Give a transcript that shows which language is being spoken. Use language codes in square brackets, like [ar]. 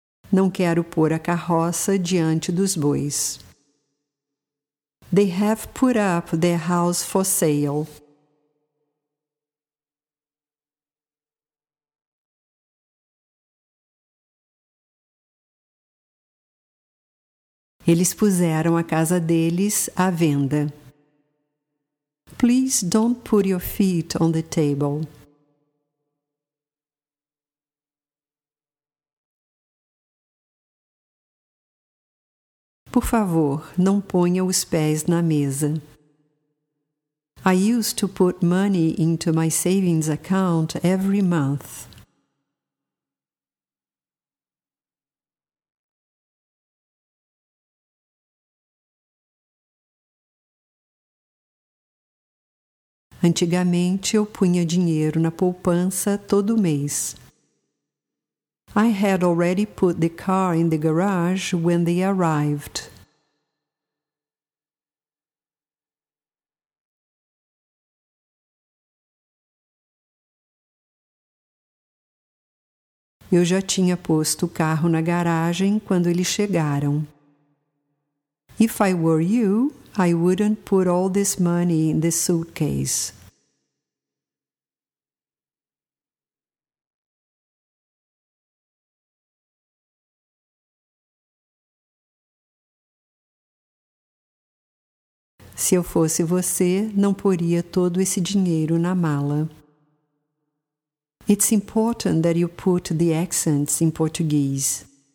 [pt] Não quero pôr a carroça diante dos bois. [en] They have put up their house for sale. [pt] Eles puseram a casa deles à venda. [en] Please don't put your feet on the table. [pt] Por favor, não ponha os pés na mesa. [en] I used to put money into my savings account every month. [pt] Antigamente, eu punha dinheiro na poupança todo mês. [en] I had already put the car in the garage when they arrived. [pt] Eu já tinha posto o carro na garagem quando eles chegaram. [en] If I were you, I wouldn't put all this money in the suitcase. [pt] Se eu fosse você, não poria todo esse dinheiro na mala. [en] It's important that you put the accents in Portuguese.